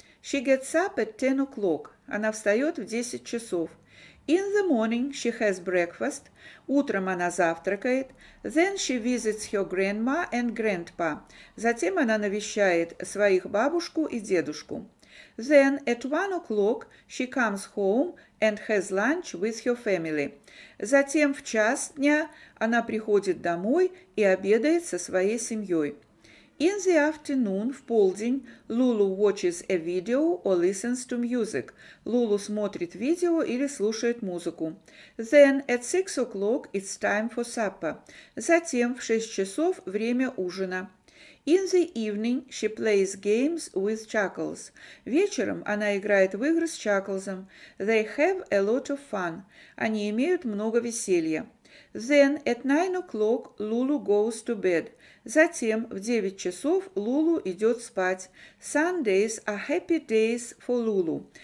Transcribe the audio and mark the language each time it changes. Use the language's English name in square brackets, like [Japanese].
[English] She gets up at 10 o'clock. [Russian] Она встает в 10 часов. [English] In the morning she has breakfast. [Russian] Утром она завтракает. [English] Then she visits her grandma and grandpa. [Russian] Затем она навещает своих бабушку и дедушку. [English] Then at 1 o'clock she comes home and has lunch with her family. [Russian] Затем в час дня она приходит домой и обедает со своей семьей. [English] In the afternoon, [Russian] в полдень, [English] Lulu watches a video or listens to music. [Russian] Lulu смотрит видео или слушает музыку. [English] Then, at 6 o'clock, it's time for supper. [Russian] Затем, в 6 часов, время ужина. [English] In the evening, she plays games with Chuckles. [Russian] Вечером она играет в игры с Чаклзом. [English] They have a lot of fun. [Russian] Они имеют много веселья. [English] Then, at 9 o'clock, Lulu goes to bed. [Russian] Затем, в 9 часов, Лулу идет спать. [English] Sundays are happy days for Lulu.